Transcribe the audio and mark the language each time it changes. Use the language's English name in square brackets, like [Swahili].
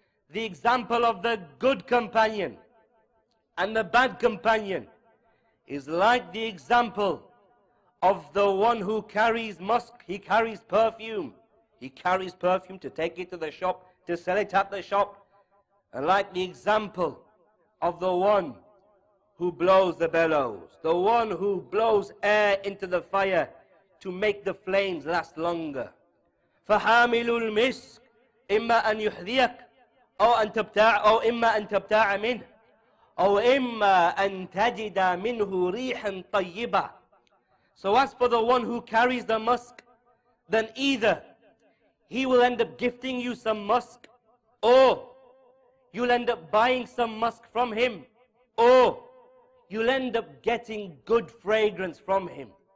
[English] The example of the good companion and the bad companion is like the example of the one who carries musk, he carries perfume. He carries perfume to take it to the shop, to sell it at the shop. And like the example of the one who blows the bellows, the one who blows air into the fire to make the flames last longer. [Arabic] فَحَامِلُ الْمِسْكِ إِمَّا أَنْ يُحْذِيَكْ أَوْ أَنْ تَبْتَاعَ أَوْ إِمَّا أَنْ تَبْتَاعَ مِنْهِ أَوْ إِمَّا أَنْ تَجِدَ مِنْهُ رِيحًا طَيِّبًا. [English] So as for the one who carries the musk, then either he will end up gifting you some musk, or you'll end up buying some musk from him, or you'll end up getting good fragrance from him.